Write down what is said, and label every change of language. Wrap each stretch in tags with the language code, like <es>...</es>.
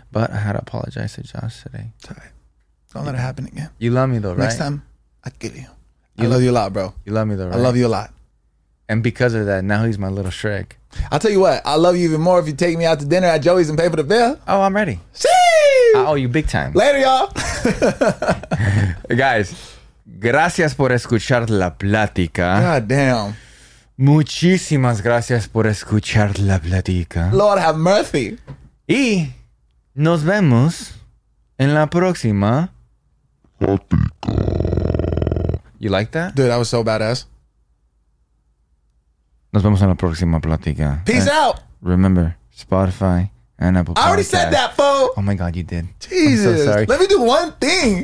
<en>But I had to apologize to Josh today. Sorry. Don't let it happen again. You love me though, right? Next time, I get you. I love you a lot, bro. You love me though, right? I love you a lot. And because of that, now he's my little Shrek. I'll tell you what, I love you even more if you take me out to dinner at Joey's and pay for the bill. Oh, I'm ready. See? I owe you big time. Later, y'all. Guys,</en> <es>gracias por escuchar la plática.</es> <en>God damn.</en> <es>Muchísimas gracias por escuchar la plática.</es> <en>Lord have mercy.</en> <es>Y nos vemos en la próxima.</es> <en>You like that? Dude, that was so badass.</en> <es>Nos vemos en la próxima plática.</es> <en>Peace out. Remember, Spotify and Apple Podcasts. I already said that, folks. Oh my God, you did. Jesus. I'm so sorry. Let me do one thing.</en>